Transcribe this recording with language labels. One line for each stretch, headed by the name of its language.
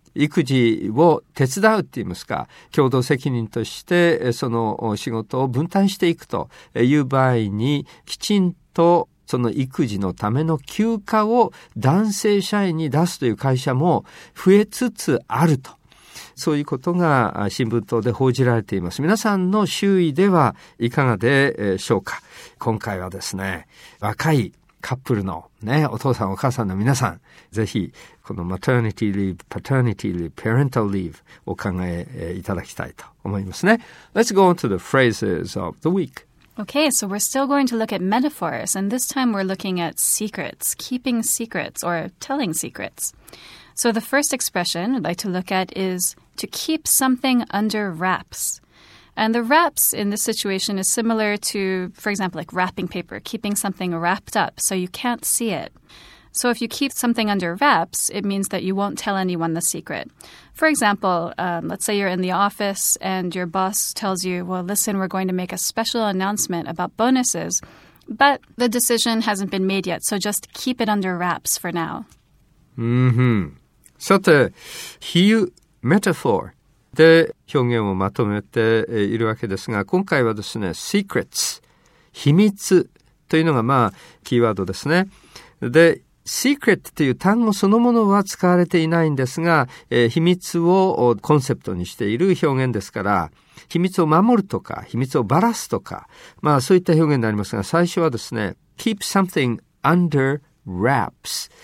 Japanese: 育児を手伝うって言いますか、共同責任としてその仕事を分担していくという場合に、きちんとその育児のための休暇を男性社員に出すという会社も増えつつあると、そういうことが新聞等で報じられています。皆さんの周囲ではいかがでしょうか。今回はですね、若いカップルの、ね、お父さんお母さんの皆さん、ぜひこのマタニティリーブ、パタニティリーブ、パレンタルリーブお考えいただきたいと思いますね。
English: Let's go on to the phrases of the week. Okay, so we're still going to look at metaphors, and this time we're looking at secrets, keeping secrets or telling secrets. So the first expression I'd like to look at is to keep something under wraps. And the wraps in this situation is similar to, for example, like wrapping paper, keeping something wrapped up so you can't see it. So if you keep something under wraps, it means that you won't tell anyone the secret. For example, let's say you're in the office and your boss tells you, well, listen, we're going to make a special announcement about bonuses, but the decision hasn't been made yet, so just keep it under wraps for now. Mm-hmm.
Japanese: さて、比喩、metaphor で表現をまとめているわけですが、今回はですね、secrets、秘密というのがまあキーワードですね。で、secret という単語そのものは使われていないんですが、秘密をコンセプトにしている表現ですから、秘密を守るとか、秘密をバラすとか、まあそういった表現になりますが、最初はですね、
English: keep something under wraps。